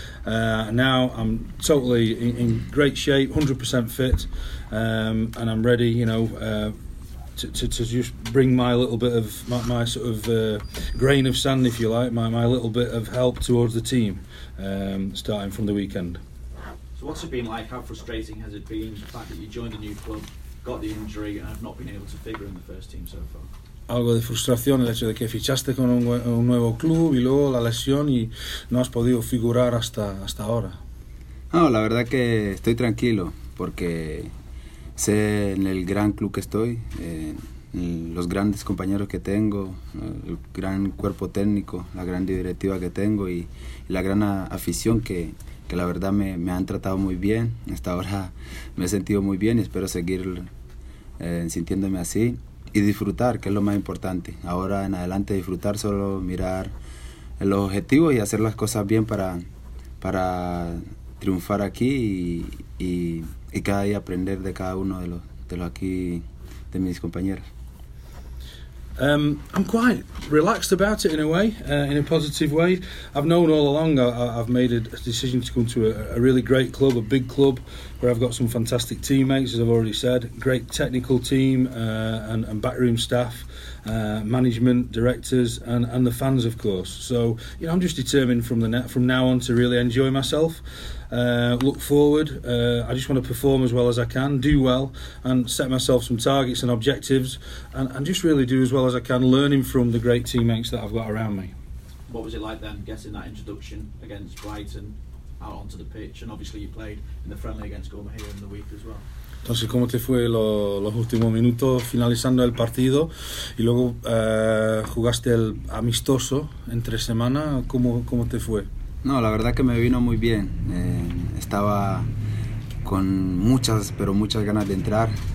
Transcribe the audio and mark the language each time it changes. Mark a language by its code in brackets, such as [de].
[en] Now I'm totally in great shape, 100% fit, and I'm ready, you know, to just bring my little bit of my sort of grain of sand, if you like, my little bit of help towards the team, starting from the weekend. So what's it been like? How frustrating has it been, the fact that you joined a new club, got the injury, and have not been able to figure in the first team so far? [es] Algo de frustración, el hecho de que fichaste con un nuevo club y luego la lesión y no has podido figurar hasta ahora. No, la verdad que estoy tranquilo porque sé en el gran club que estoy, los grandes compañeros que tengo, el gran cuerpo técnico, la gran directiva que tengo y la gran afición que la verdad me han tratado muy bien. Hasta ahora me he sentido muy bien y espero seguir sintiéndome así. Y disfrutar, que es lo más importante. Ahora en adelante disfrutar, solo mirar los objetivos y hacer las cosas bien para triunfar aquí y cada día aprender de cada uno de los aquí de mis compañeros. [en] I'm quite relaxed about it in a way, in a positive way. I've known all along I've made a decision to come to a really great club, a big club, where I've got some fantastic teammates, as I've already said, great technical team and backroom staff, management, directors, and the fans, of course. So, you know, I'm just determined from now on to really enjoy myself, look forward. I just want to perform as well as I can, do well, and set myself some targets and objectives, and just really do as well as I can, learning from the great teammates that I've got around me. What was it like then, getting that introduction against Brighton out onto the pitch? And obviously you played in the friendly against Gorma here in the week as well. [es] Entonces, ¿cómo te fue los últimos minutos finalizando el partido? Y luego jugaste el amistoso entre semana. ¿Cómo te fue? No, la verdad que me vino muy bien. Estaba con muchas, pero muchas ganas de entrar.